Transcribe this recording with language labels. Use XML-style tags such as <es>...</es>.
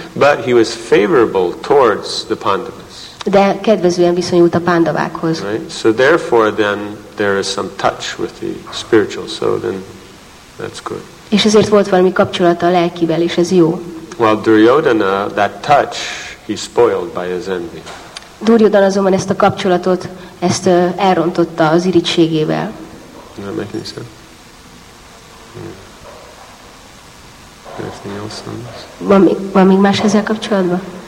<en>But he was favorable towards the Pandavas.</en> <hu>De kedvezően viszonyult a Pandavákhoz.</hu> <en>Right? So therefore then there is some touch with the spiritual, so then that's good.</en> <hu>És ezért volt valami kapcsolata a lelkivel, és ez jó.</hu> <en>Well, Duryodhana, that touch, he spoiled by his envy.</en> <hu>Duryodhana azonban ezt a kapcsolatot, ezt elrontotta az irigységével.</hu> <en>Is that making sense? Anything else on this?</en> <hu>Van még más ezzel kapcsolatban?</hu>